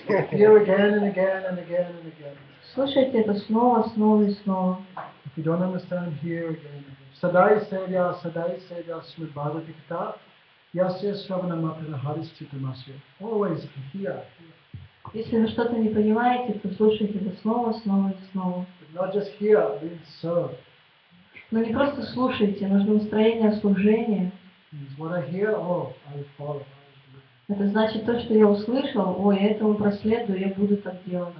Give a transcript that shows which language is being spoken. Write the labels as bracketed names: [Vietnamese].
[English] Hear again and again and again and again. [Russian] Слушайте это снова, снова и снова. [English] If you don't understand, hear again. [Sanskrit] Sadai Sevya, Sadai Sevya, Srimad Bhagavati Kata, Yasya Shravana Matana Harishchitamasya. [English] Always hear. [Russian] Если вы что-то не понимаете, то слушайте это снова, снова и снова. [English] But not just hear, but serve. [Russian] Но не просто слушайте, нужно настроение служения. [English] What I hear, oh, I follow. [Russian] Это значит, то, что я услышал, ой, я этому проследую, я буду так делать.